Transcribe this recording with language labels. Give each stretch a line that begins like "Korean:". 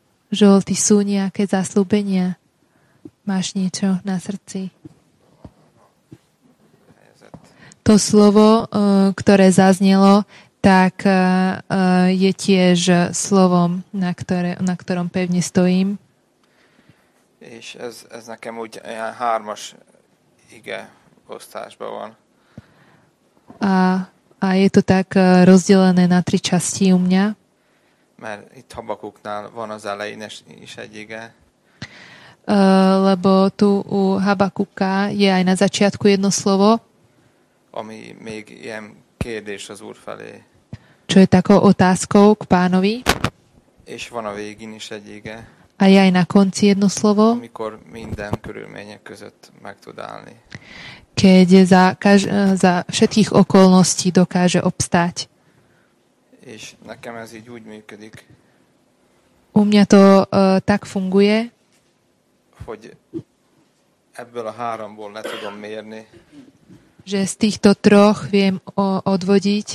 Slovak: Žol, ty sú nejaké zasľúbenia? Máš niečo na srdci? To slovo, ktoré zaznelo, tak je tiež slovom, na ktorom pevne stojím.
Hungarian: Eš, ez nekem úgy hármas ige postážba van.
Slovak: A je to tak rozdelené na tri časti u mňa.
Hungarian: Mert itt Habakuknál van az elején is egy ige.
Slovak: Lebo tu u Habakuka je aj na začiatku jedno slovo.
Hungarian: Ami még ilyen kérdés az Úr felé.
Slovak: Čo je takou otázkou k Pánovi.
Hungarian: És van a végén is egy ige.
Slovak: A je aj na konci jedno slovo.
Hungarian: Amikor minden körülmények között meg tud állni.
Slovak: Keď za všetkých okolností dokáže obstáť.
Hungarian: És nekem ez így úgy működik.
Slovak: U mňa to tak funguje.
Hungarian: Hogy ebből a háromból ne tudom mérni.
Slovak: Že z týchto troch viem odvodiť.